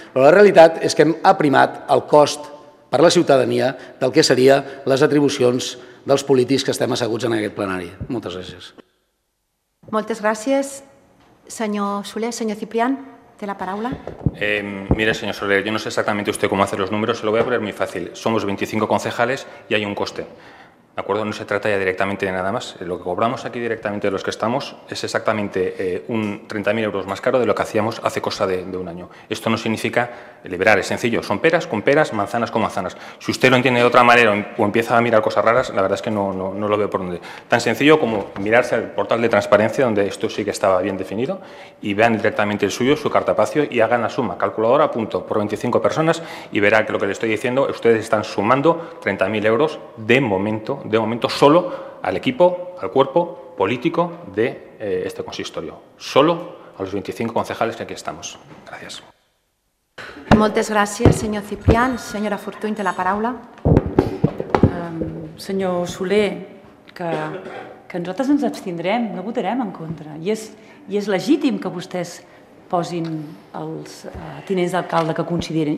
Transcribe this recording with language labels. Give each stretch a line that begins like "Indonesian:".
Catalan: Però la realitat és que hem aprimat el cost per la ciutadania del que serien les atribucions dels polítics que estem asseguts en aquest plenari. Moltes gràcies. Moltes gràcies, senyor Soler. Senyor Ciprián, té la paraula.
Spanish: Mire, senyor Soler, yo no sé exactamente usted cómo hace los números, se lo voy a poner muy fácil. Somos 25 concejales y hay un coste. ¿De acuerdo? No se trata ya directamente de nada más. Lo que cobramos aquí directamente de los que estamos es exactamente un 30.000 euros más caro de lo que hacíamos hace cosa de un año. Esto no significa liberar, es sencillo. Son peras con peras, manzanas con manzanas. Si usted lo entiende de otra manera o empieza a mirar cosas raras, la verdad es que no lo veo por dónde. Tan sencillo como mirarse al portal de transparencia, donde esto sí que estaba bien definido, y vean directamente el suyo, su cartapacio, y hagan la suma. Calculadora, punto, por 25 personas, y verá que lo que le estoy diciendo, ustedes están sumando 30.000 euros de momento solo al equipo, al cuerpo político de este consistorio. Solo a los 25 concejales que aquí estamos. Gracias.
Catalan: Moltes gràcies, senyor Ciprián. Senyora Fortuny, té la paraula. Senyor Soler, que nosaltres ens abstindrem, no votarem en contra. I és legítim que vostès posin els tinents d'alcalde que consideren.